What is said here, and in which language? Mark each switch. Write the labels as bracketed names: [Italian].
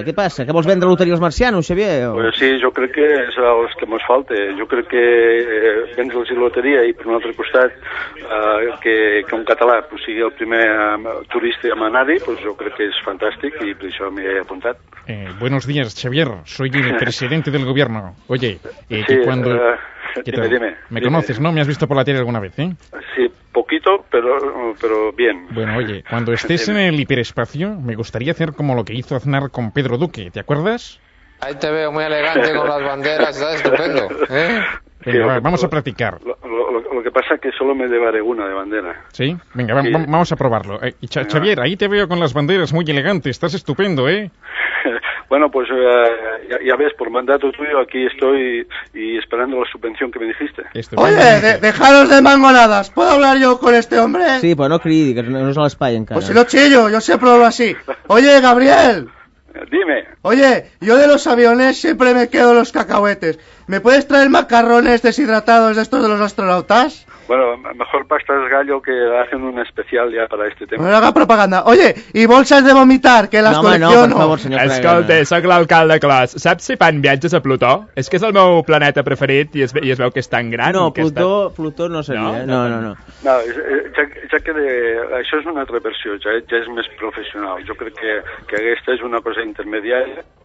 [Catalan] Què passa? Que vols vendre loteria als marcians, Xavier? O... Pues sí, jo crec que és el que mos falta. Jo crec que vens a la loteria i, per un altre costat, que un català pues, sigui el primer turista a anar-hi, pues, jo crec que és fantàstic i per això m'hi he apuntat. [Spanish] Buenos días, Xavier. Soy el presidente del gobierno. Oye, sí, cuando... Dime. Conoces, ¿no? Me has visto por la tele alguna vez, ¿eh? Sí, poquito, pero bien. Bueno, oye, cuando estés en el hiperespacio, me gustaría hacer como lo que hizo Aznar con Pedro Duque, ¿te acuerdas? Ahí te veo muy elegante con las banderas, ¿sabes? Estupendo, ¿eh? Venga, sí, vamos a practicar. Lo que pasa es que solo me llevaré una de bandera. ¿Sí? Venga, sí. Vamos a probarlo. Xavier, ahí te veo con las banderas muy elegante, estás estupendo, ¿eh? Bueno, pues ya ves, por mandato tuyo aquí estoy y esperando la subvención que me dijiste. Oye, dejaros de mangonadas, ¿puedo hablar yo con este hombre? Sí, pues no creí, que no es a la espalda encara. Pues si no chillo, yo siempre hablo así. Oye, Gabriel. Dime. Oye, yo de los aviones siempre me quedo los cacahuetes. ¿Me puedes traer macarrones deshidratados de estos de los astronautas? Bueno, mejor pastas gallo que hacen un especial ya para este tema. No haga propaganda. Oye, ¿y bolsas de vomitar? Que las colecciono. [Catalan] No, home, no, per favor, senyor. Escolta, sóc l'alcalde Clos. Saps si fan viatges a Plutó? És que és el meu planeta preferit i es veu que és tan gran. No, Plutó no seria. No. Ja que això és una altra versió, ja és més professional. Jo crec que aquesta és una cosa intermediària.